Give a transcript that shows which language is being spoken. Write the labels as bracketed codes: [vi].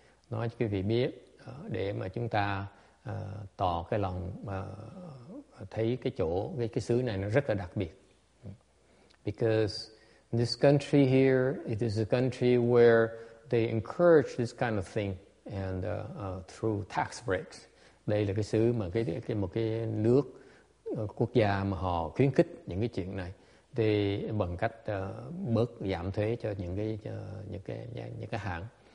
[vi] Nói cho quý vị biết để mà chúng ta tỏ cái lòng thấy cái chỗ cái xứ này nó rất là đặc biệt. [en] Because this country here, it is a country where they encourage this kind of thing and through tax breaks. [vi] Đây là cái xứ mà một cái nước quốc gia mà họ khuyến khích những cái chuyện này. Thì bằng cách bớt giảm thuế cho những cái hãng.